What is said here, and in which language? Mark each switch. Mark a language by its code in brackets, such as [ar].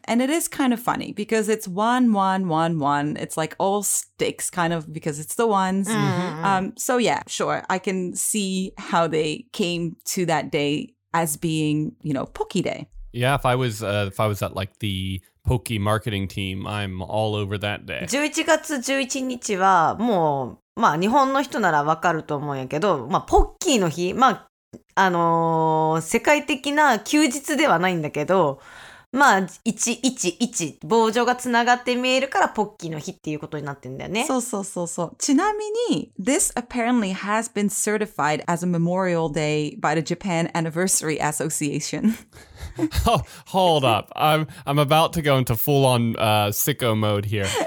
[en] And it is kind of funny because it's 1-1-1-1. It's like all sticks kind of because it's the ones. So yeah, sure. I can see how they came to that day as being, you know, Pocky day. Yeah, if I was at like the Pocky marketing team, I'm all over that day. [ja] 11月11日はもうまあ日本の人ならわかると思うんやけど、まあポッキーの日、まあ世界的な休日ではないんだけど、まあ、1、1、1、棒状がつながって見えるからポッキーの日っていうことになってんだよね。そうそうそうそう。ちなみに、 [en] This apparently has been certified as a Memorial Day by the Japan Anniversary Association. Oh, hold up. I'm about to go into full-on sicko mode here.